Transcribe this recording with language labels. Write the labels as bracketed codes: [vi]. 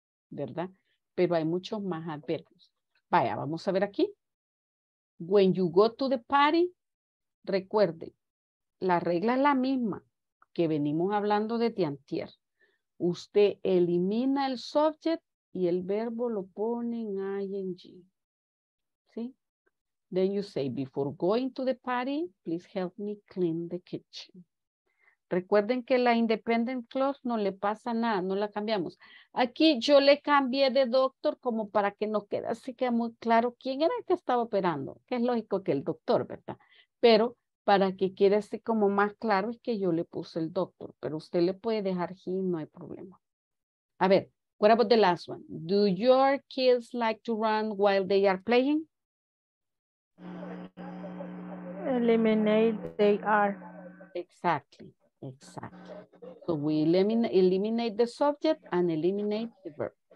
[es] ¿verdad? Pero hay muchos más adverbios. Vaya, vamos a ver aquí. [en] When you go to the party, [es] recuerden, la regla es la misma que venimos hablando desde antier. Usted elimina el subject y el verbo lo pone en ing. ¿Sí? [en] Then you say, before going to the party, please help me clean the kitchen. [es] Recuerden que la independent clause no le pasa nada, no la cambiamos. Aquí yo le cambié de doctor como para que nos quede así que muy claro quién era el que estaba operando, que es lógico que el doctor, ¿verdad? Pero para que quede así como más claro es que yo le puse el doctor, pero usted le puede dejar him, no hay problema. A ver, [en] what about the last one? Do your kids like to run while they are playing? Eliminate they are. Exactly. Exactly. So we eliminate the subject and eliminate the verb.